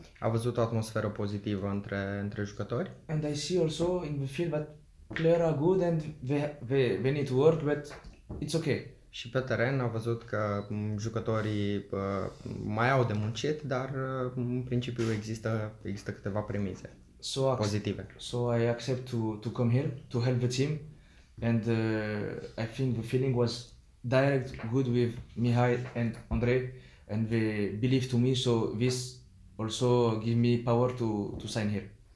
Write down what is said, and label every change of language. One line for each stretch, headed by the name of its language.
Romanian: A văzut o atmosferă pozitivă între jucători.
English: And I see also in the field that player are good and they need to work, but it's okay.
Romanian: Și pe teren a văzut că jucătorii mai au de muncit, dar în principiu există câteva premise pozitive.
English: So I accept to come here to help the team and I think the feeling was direct good with Mihai and Andrei and they believe to me, so this also give me power to sign here.